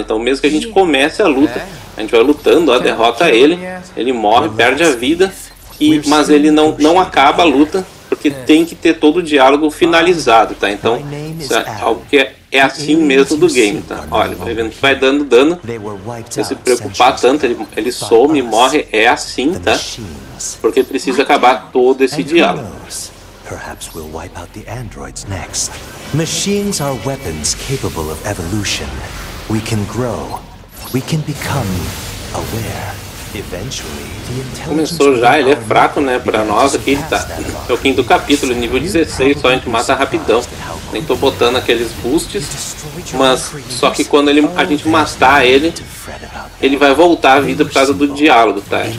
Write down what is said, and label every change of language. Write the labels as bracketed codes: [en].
[pt] Então mesmo que a gente comece a luta... A gente vai lutando, ó, derrota ele, ele morre, perde a vida, mas ele não acaba a luta, porque tem que ter todo o diálogo finalizado, tá? Então, isso é algo que é assim mesmo do game, tá? Olha, vai vendo que vai dando dano, se você preocupar tanto, ele some, morre, é assim, tá? Porque precisa acabar todo esse diálogo. [en] Perhaps we'll wipe out the androids next. Machines are weapons capable of evolution. We can grow. We can become aware. [pt] Eventually, começou já, ele é fraco, né, pra nós aqui, tá? É o quinto capítulo, nível 16, só a gente mata rapidão. Nem tô botando aqueles boosts, mas só que quando a gente matar ele, ele vai voltar à vida por causa do diálogo, tá?